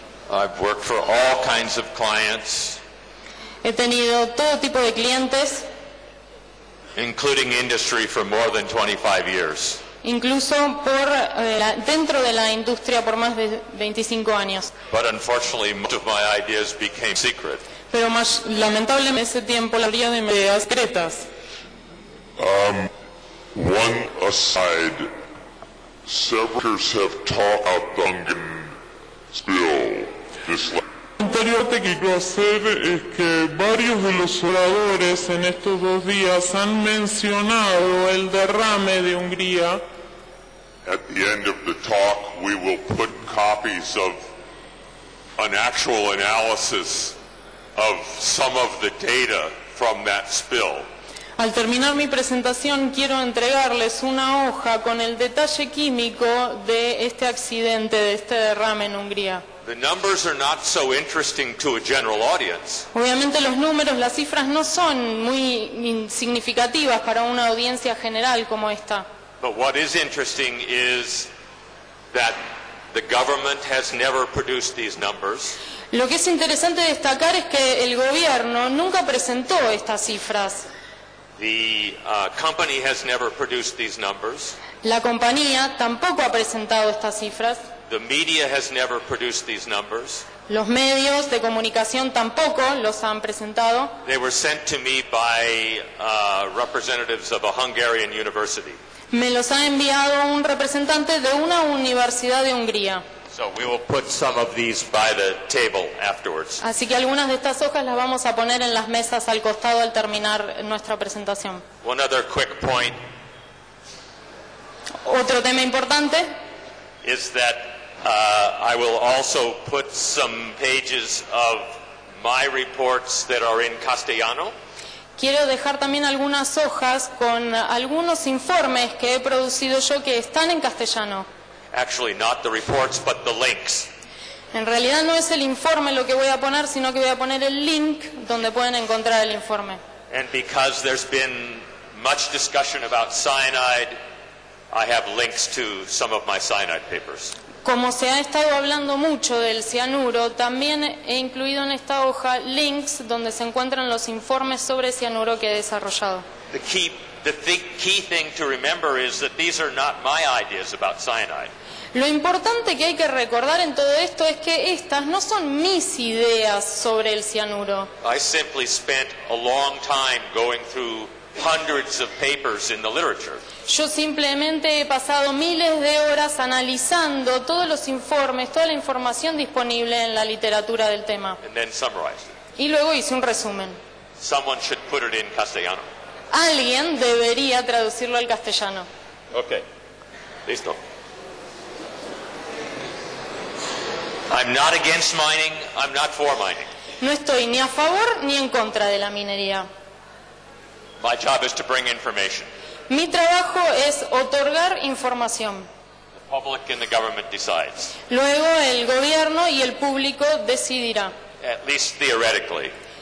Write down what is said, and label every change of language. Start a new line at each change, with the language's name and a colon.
English: I've worked for all kinds of clients.
Spanish: He tenido todo tipo de clientes.
English: Including industry for more than 25 years.
Spanish: Incluso por dentro de la industria por más de 25 años.
English: But unfortunately, most of my ideas became secret.
Spanish: Pero más lamentablemente ese tiempo la mayoría de mis ideas secretas.
English: One aside, several speakers have talked about the Ungan spill.
Spanish: Anterior te quiero hacer es que varios de los oradores en estos dos días han mencionado el derrame de Hungría.
English: At the end of the talk, we will put copies of an actual analysis of some of the data from that spill.
Spanish: Al terminar mi presentación, quiero entregarles una hoja con el detalle químico de este accidente, de este derrame en Hungría.
English: The numbers are not so interesting to a general audience.
Spanish: Obviamente los números, las cifras no son muy significativas para una audiencia general como esta.
English: But what is interesting is that the government has never produced these numbers.
Spanish: Lo que es interesante destacar es que el gobierno nunca presentó estas cifras.
English: The company has never produced these numbers.
Spanish: La compañía tampoco ha presentado estas cifras.
English: The media has never produced these numbers.
Spanish: Los medios de comunicación tampoco los han presentado.
English: They were sent to me by representatives of a Hungarian university.
Spanish: Me los ha enviado un representante de una universidad de Hungría.
English: So we will put some of these by the table afterwards.
Spanish: Así que algunas de estas hojas las vamos a poner en las mesas al costado al terminar nuestra presentación.
English: One other quick point.
Spanish: Otro tema importante.
English: Is that I will also put some pages of my reports that are in Castellano.
Spanish: Quiero dejar también algunas hojas con algunos informes que he producido yo que están en castellano.
English: Actually, not the reports, but the links.
Spanish: En realidad no es el informe lo que voy a poner, sino que voy a poner el link donde pueden encontrar el informe.
English: And because there's been much discussion about cyanide, I have links to some of my cyanide papers.
Spanish: Como se ha estado hablando mucho del cianuro, también he incluido en esta hoja links donde se encuentran los informes sobre cianuro que he desarrollado.
English: The key thing to remember is that these are not my ideas about cyanide.
Spanish: Lo importante que hay que recordar en todo esto es que estas no son mis ideas sobre el cianuro.
English: I simply spent a long time going through hundreds of papers in the literature.
Spanish: Yo simplemente he pasado miles de horas analizando todos los informes, toda la información disponible en la literatura del tema.
English: And then summarized it.
Spanish: Y luego hice un resumen.
English: Someone should put it in castellano.
Spanish: Alguien debería traducirlo al castellano. Ok. Listo.
English: I'm not against mining, I'm not for mining.
Spanish: No estoy ni a favor ni en contra de la minería.
English: My job is to bring information.
Spanish: Mi trabajo es otorgar información.
English: The public and the government decides.
Spanish: Luego el gobierno y el público decidirá.
English: At least theoretically.